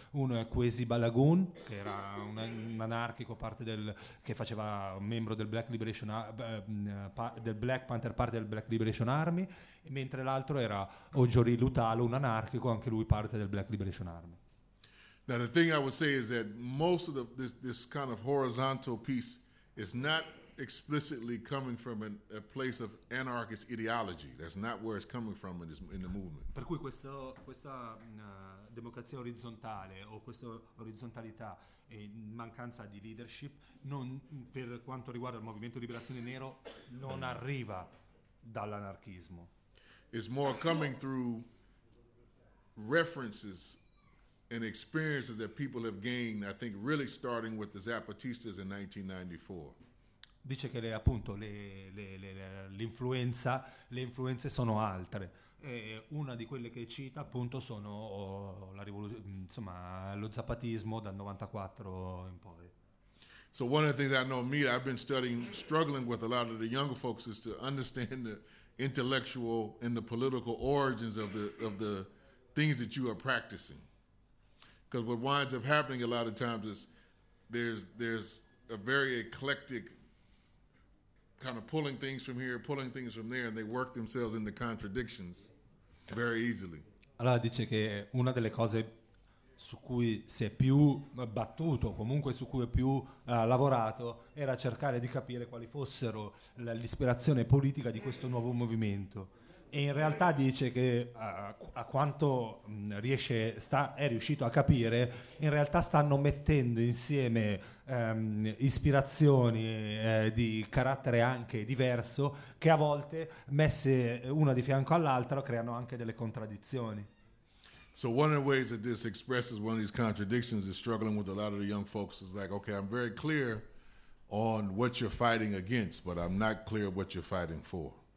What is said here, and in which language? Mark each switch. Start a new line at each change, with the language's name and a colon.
Italian: Uno è Kwesi Balogun, che era un anarchico che faceva membro del Black Panther Party del Black Liberation Army, mentre l'altro era Ojore Lutalo, un anarchico, anche lui parte del Black Liberation Army.
English: Now the thing I would say is that most of this kind of horizontal piece is not explicitly coming from a place of anarchist ideology. That's not where it's coming from in the movement.
Italian: Per cui questa democrazia orizzontale o questa orizzontalità e mancanza di leadership non, per quanto riguarda il movimento Liberazione Nero, non arriva dall'anarchismo.
English: It's more coming through references and experiences that people have gained, I think really starting with the Zapatistas in 1994.
Italian: Dice che le influenze sono altre. E una di quelle che cita appunto sono lo zapatismo dal 94 in poi.
English: So one of the things I know me, I've been struggling with a lot of the younger folks is to understand the intellectual and the political origins of the things that you are practicing. Because what winds up happening a lot of times is there's a very eclectic kind of pulling things from here, pulling things from there, and they work themselves into contradictions very easily.
Italian: Allora dice che una delle cose su cui si è più battuto, comunque su cui è più lavorato, era cercare di capire quali fossero l'ispirazione politica di questo nuovo movimento. E in realtà dice che a quanto è riuscito a capire, in realtà stanno mettendo insieme ispirazioni di carattere anche diverso, che a volte messe una di fianco all'altra creano anche delle contraddizioni.
English: So one of the ways that this expresses one of these contradictions is struggling with a lot of the young folks is like, okay, I'm very clear on what you're fighting against, but I'm not clear what you're fighting for.